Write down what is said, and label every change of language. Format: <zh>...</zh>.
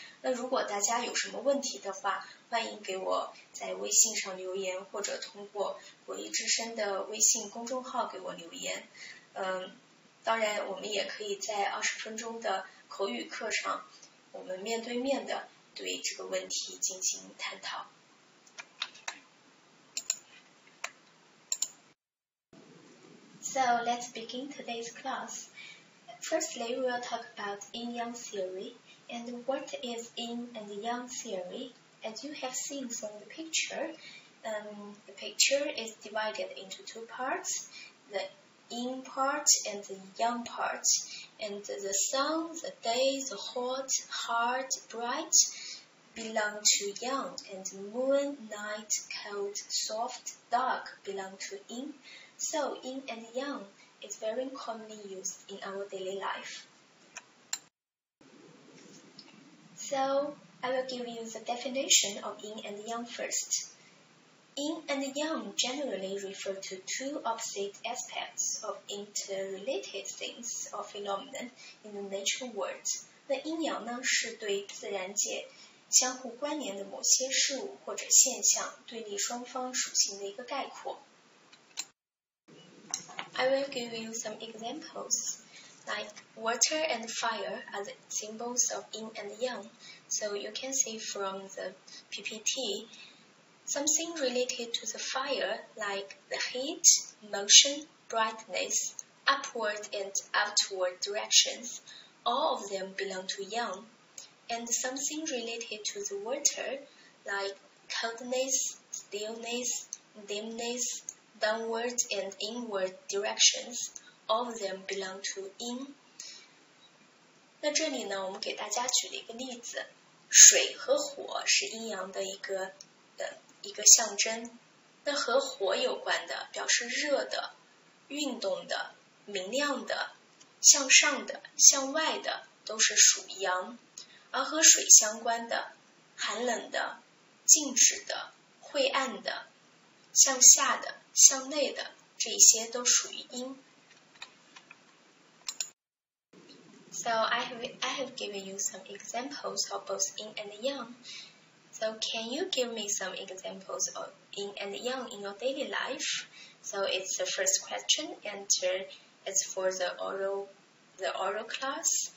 <zh>那如果大家有什么问题的话，欢迎给我在微信上留言，或者通过国医之声的微信公众号给我留言。当然我们也可以在20分钟的口语课上，我们面对面的对这个问题进行探讨。</zh> <en>So let's begin today's class. Firstly, we will talk about Yin-yang theory and what is Yin and Yang theory. As you have seen from the picture, the picture is divided into two parts. The Yin part and the Yang part, and the sun, the day, the hot, hard, bright belong to Yang, and moon, night, cold, soft, dark belong to Yin. So Yin and Yang is very commonly used in our daily life. So I will give you the definition of Yin and Yang first. Yin and Yang generally refer to two opposite aspects of interrelated things or phenomena in the nature world.</en> <zh>那阴阳呢，是对自然界相互关联的某些事物或者现象对立双方属性的一个概括。</zh> <en>I will give you some examples. Like water and fire are the symbols of Yin and Yang. So you can see from the PPT,Something related to the fire, like the heat, motion, brightness, upward and outward directions, all of them belong to Yang. And something related to the water, like coldness, stillness, dimness, downward and inward directions, all of them belong to Yin.</en> <zh>那这里呢，我们给大家举了一个例子，水和火是阴阳的一个象征，那和火有关的表示热的、运动的、明亮的、向上的、向外的都是属阳，而和水相关的寒冷的、静止的、晦暗的、向下的、向内的这些都属于阴。</zh> <en>So I have given you some examples of both Yin and Yang. So can you give me some examples of Yin and Yang in your daily life? So it's the first question, and it's for the oral class.</en>